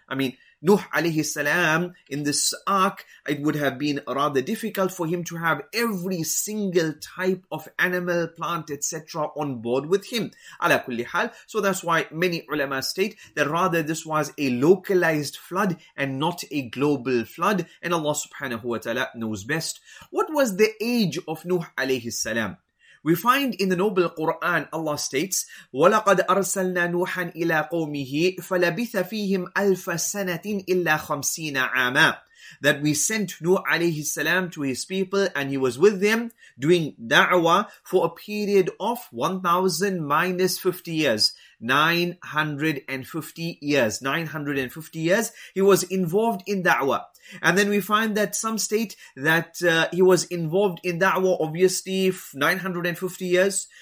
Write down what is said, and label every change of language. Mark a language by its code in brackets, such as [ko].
[en] I mean, Nuh alayhi salam, in this ark, it would have been rather difficult for him to have every single type of animal, plant, etc. on board with him. Ala kulli hal. So that's why many ulama state that rather this was a localized flood and not a global flood. And Allah subhanahu wa ta'ala knows best. What was the age of Nuh alayhi salam? We find in the Noble Quran, Allah states, [ar] وَلَقَدْ أَرْسَلْنَا نُوحًا إِلَىٰ قَوْمِهِ فَلَبِثَ فِيهِمْ أَلْفَ سَنَةٍ إِلَّا خَمْسِينَ عَامًا. [en] That we sent Nuh alayhi salam to his people and he was with them doing da'wah for a period of 1000 minus 50 years. 950 years. He was involved in da'wah. And then we find that some state that he was involved in da'wah, obviously, 950 years.